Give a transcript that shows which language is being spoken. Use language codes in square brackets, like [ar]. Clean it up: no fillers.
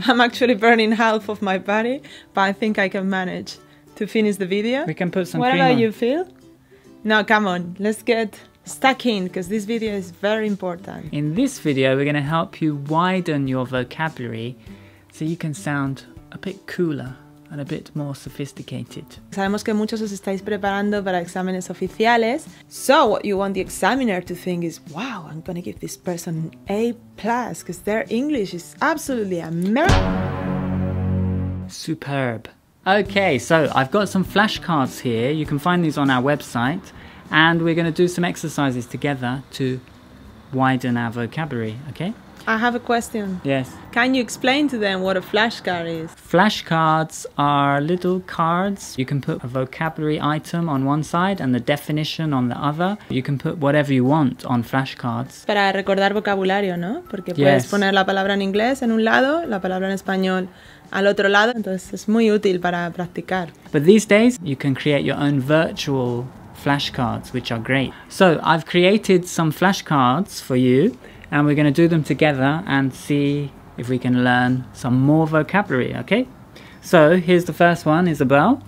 [en] I'm actually burning half of my body, but I think I can manage to finish the video. We can put some cream on. Whatever you feel. No, come on, let's get stuck in, because this video is very important. In this video, we're going to help you widen your vocabulary so you can sound a bit cooler and a bit more sophisticated. [es] Sabemos que muchos os estáis preparando para exámenes oficiales. [en] So what you want the examiner to think is, wow, I'm going to give this person an A+, because their English is absolutely amazing. Superb. Okay, so I've got some flashcards here. You can find these on our website. And we're going to do some exercises together to widen our vocabulary, okay? I have a question. Yes. Can you explain to them what a flashcard is? Flashcards are little cards. You can put a vocabulary item on one side and the definition on the other. You can put whatever you want on flashcards. [es] Para recordar vocabulario, ¿no? Porque puedes [en] yes. [es] poner la palabra en inglés en un lado, la palabra en español al otro lado. Entonces es muy útil para practicar. [en] But these days, you can create your own virtual flashcards, which are great. So I've created some flashcards for you, and we're going to do them together and see if we can learn some more vocabulary, okay? So here's the first one, Isabel.